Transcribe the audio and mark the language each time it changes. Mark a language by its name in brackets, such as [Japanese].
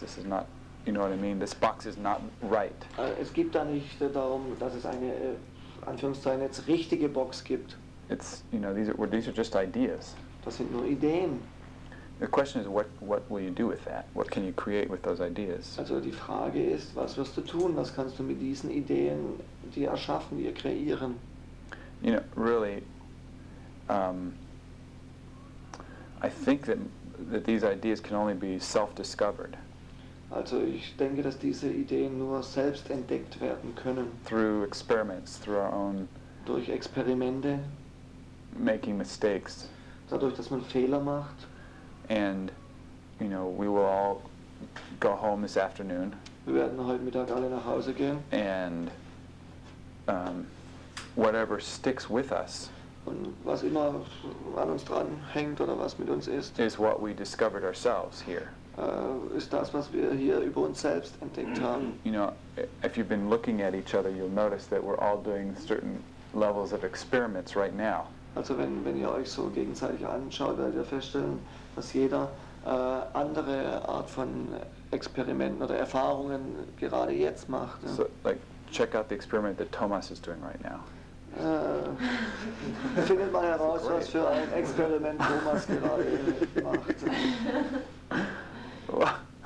[English] This is not, you know what I mean? This box is not right. [German] Es geht da nicht darum, dass es eine Anführungszeichen jetzt richtige Box gibt. [English] It's, you know, these are just ideas. [German] Das sind nur Ideen. [English] The question is, what will you do with that? What can you create with those ideas? [German] Also die Frage ist, was wirst du tun? Was kannst du mit diesen Ideen dir erschaffen, dir kreieren? [English] You know, really, I think that these ideas can only be self-discovered. [German] Also ich denke, dass diese Ideen nur selbst entdeckt werden können. [English] Through experiments, through our own. [German] Durch Experimente. [English] Making mistakes. [German] Dadurch, dass man Fehler macht. [English] And, you know, we will all go home this afternoon. [German] Wir werden heute Mittag alle nach Hause gehen. [English] And whatever sticks with us. [German] Und was immer an uns dran hängt oder was mit uns ist. [English] Is what we discovered ourselves here. [German] Ist das, was wir hier über uns selbst entdeckt haben. [English] You know, if you've been looking at each other, you'll notice that we're all doing certain levels of experiments right now. [German] Also wenn ihr euch so gegenseitig anschaut, werdet ihr feststellen, dass jeder andere Art von Experimenten oder Erfahrungen gerade jetzt macht. [English] So, like, check out the experiment that Thomas is doing right now. [German] Findet mal heraus, was für ein Experiment Thomas gerade macht.